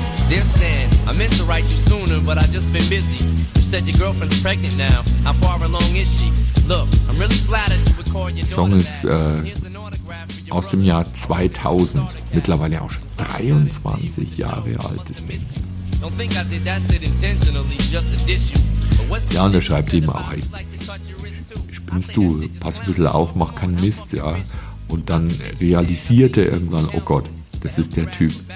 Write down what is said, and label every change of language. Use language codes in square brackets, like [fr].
[en] Dear Stan, I meant to write you sooner, but I've just been busy. You said your girlfriend's pregnant now. How far along is she? Look, I'm really flattered you would call your daughter. [de] Song ist aus dem Jahr 2000, mittlerweile auch schon 23 Jahre alt ist Ding. [en] Don't think I did that shit intentionally, just to diss you. [de] Ja, und er schreibt eben auch, ey, spinnst du, pass ein bisschen auf, mach keinen Mist, ja. Und dann realisiert er irgendwann, oh Gott, das ist der Typ.